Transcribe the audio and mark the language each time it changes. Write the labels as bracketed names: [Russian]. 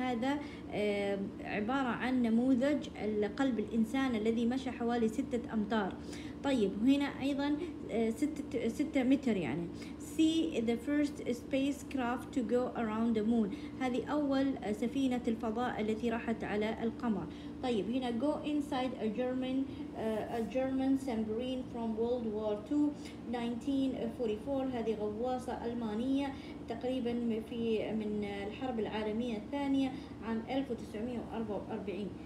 [Arabic] هذا عبارة عن نموذج القلب الإنسان الذي مشى حوالي 6 أمتار. طيب, هنا أيضا 6 متر. [English] يعني see the first spacecraft to go around the moon. [Arabic] هذه أول سفينة الفضاء التي راحت على القمر. طيب, هنا [English] go inside a German submarine from World War II 1944. [Arabic] هذه غواصة ألمانية تقريبا من الحرب العالمية الثانية عام 1944.